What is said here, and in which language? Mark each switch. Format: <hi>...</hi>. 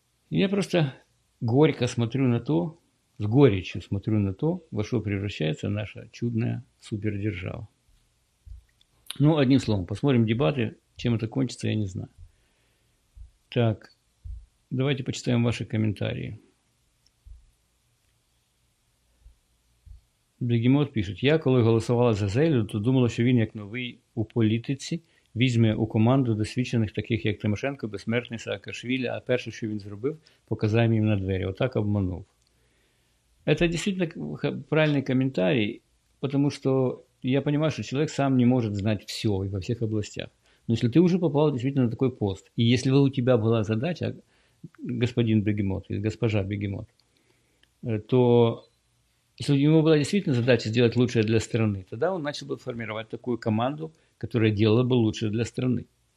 <ru>Я просто горько смотрю на то, с горечью смотрю на то, во что превращается наша чудная супердержава. Ну, одним словом, посмотрим дебаты. Чем это кончится, я не знаю. Так, давайте почитаем ваши комментарии.</ru> <uk>Бегемот пишет: «Я, коли голосувала за Зелю, то думала, що він, як новий у політиці, візьме у команду досвідчених таких, як Тимошенко, Безсмертний, Саакашвілі, а перше, що він зробив, показав їм на двері. Отак обманув».</uk> <ru>Это действительно правильный комментарий, потому что я понимаю, что человек сам не может знать все и во всех областях. Но если ты уже попал действительно на такой пост, и если у тебя была задача, господин бегемот или госпожа бегемот, то если у него была действительно задача сделать лучшее для страны, тогда он начал бы формировать такую команду, которая делала бы лучшее для страны.</ru>